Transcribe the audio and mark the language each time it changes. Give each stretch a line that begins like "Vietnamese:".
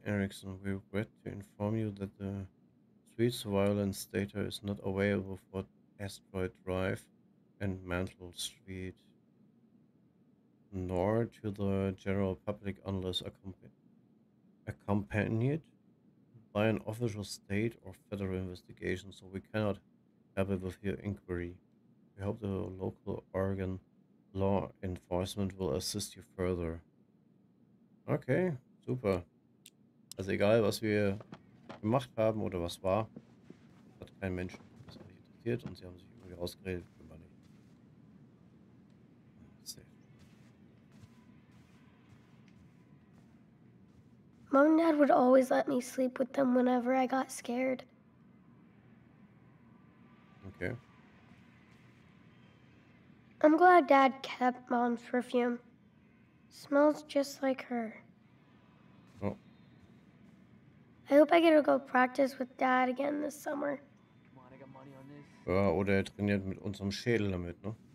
English: Erickson, we regret to inform you that the Sweet Surveillance data is not available for Asteroid Drive and Mantle Street, nor to the general public unless accompanied by an official state or federal investigation, so we cannot help it with your inquiry. We hope the local Oregon law enforcement will assist you further.
German: Okay, super. Also egal, was wir gemacht haben oder was war, hat kein Mensch das interessiert und sie haben sich irgendwie ausgeredet.
English: Mom and Dad would always let me sleep with them whenever I got scared. Okay. I'm glad Dad kept Mom's perfume. Smells just like her. I hope I get to go practice with Dad again this summer.
German: Ja, oder er trainiert mit unserem Schädel damit, ne?